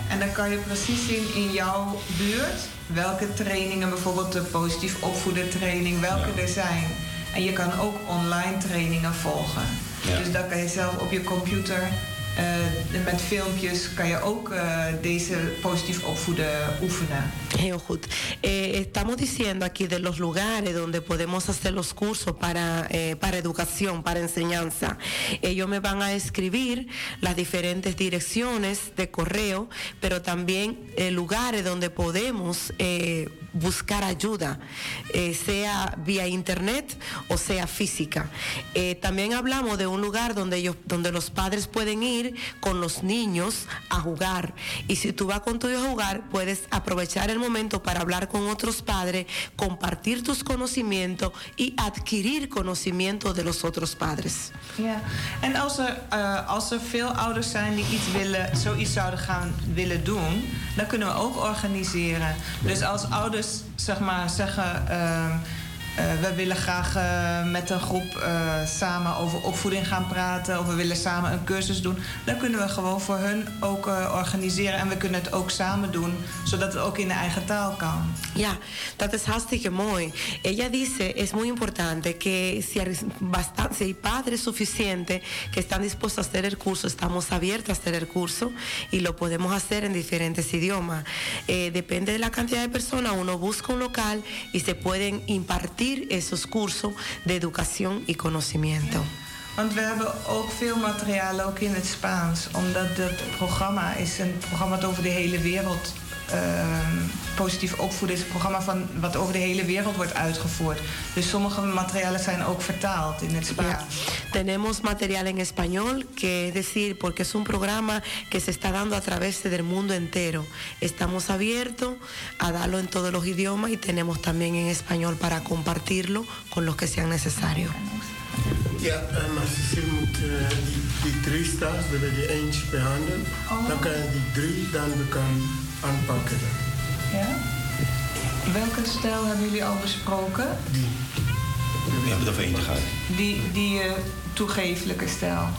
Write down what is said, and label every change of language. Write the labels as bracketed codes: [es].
[nl] En dan kan je precies zien in jouw buurt welke trainingen, bijvoorbeeld de positief opvoeden training, welke, ja, er zijn. En je kan ook online trainingen volgen. Ja. Dus dan kan je zelf op je computer met filmpjes kan je ook deze positief opvoeden oefenen. Heel goed. [es] Estamos diciendo aquí de los lugares donde podemos hacer los cursos para educación, para enseñanza. Ellos me van a escribir las diferentes direcciones de correo, pero también lugares donde podemos buscar ayuda, sea vía internet o sea física. También hablamos de un lugar donde los padres pueden ir con los niños a jugar. Y si tú vas con tu hijo a jugar, puedes aprovechar el momento para hablar con otros padres, compartir tus conocimientos y adquirir conocimiento de los otros padres. [nl] Ja, en als er veel ouders zijn die zoiets zouden willen doen, dan kunnen we ook organiseren. Dus als ouders zeggen we willen graag met een groep samen over opvoeding gaan praten, of we willen samen een cursus doen, dan kunnen we gewoon voor hun ook organiseren. En we kunnen het ook samen doen, zodat het ook in de eigen taal kan. Ja, dat is hartstikke mooi. [es] Ella dice, es muy importante que si hay, bastante, si hay padres suficientes que están dispuestos a hacer el curso, estamos abiertos a hacer el curso, y lo podemos hacer en diferentes idiomas. Depende de la cantidad de personas, uno busca un local y se pueden impartir esos cursos de educación y conocimiento. [nl] Want we hebben ook veel materiaal ook in het Spaans, omdat het programma is een programma dat over de hele wereld positief opvoeden is een programma van wat over de hele wereld wordt uitgevoerd. Dus sommige materialen zijn ook vertaald in het Spaans. Ja. [es] Tenemos material en español, que es decir, porque es un programa que se está dando a través del mundo entero. Estamos abiertos a darlo en todos los idiomas y tenemos también en español para compartirlo con los que sean necesarios. [nl] Ja, maar ze moet die drie staats, dan wil je eentje behandelen. Oh. Dan kan je die drie dan kan aanpakken. Ja? Welke stijl hebben jullie al besproken? Die. We hebben het over eentje gehad. Die toegefelijke stijl.